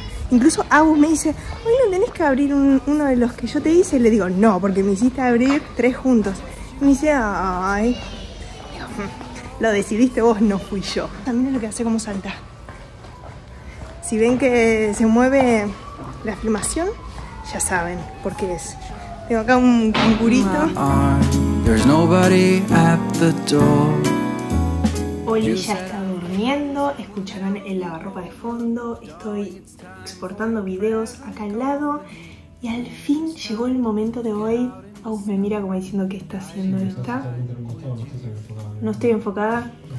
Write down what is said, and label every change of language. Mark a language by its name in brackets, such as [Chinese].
[Spanish] Incluso Agus me dice, hoy no tenés que abrir uno de los que yo te hice. Y le digo, no, porque me hiciste abrir 3 juntos. Y me dice, ay, lo decidiste vos, no fui yo. También es lo que hace como salta. Si ven que se mueve la filmación, ya saben por qué es. Tengo acá un cangurito. [English] There's nobody at the door. [Spanish] Oli ya está durmiendo, escucharán el lavarropa de fondo, estoy exportando videos acá al lado y al fin llegó el momento de hoy. Agus me mira como diciendo que está haciendo esta. No estoy enfocada.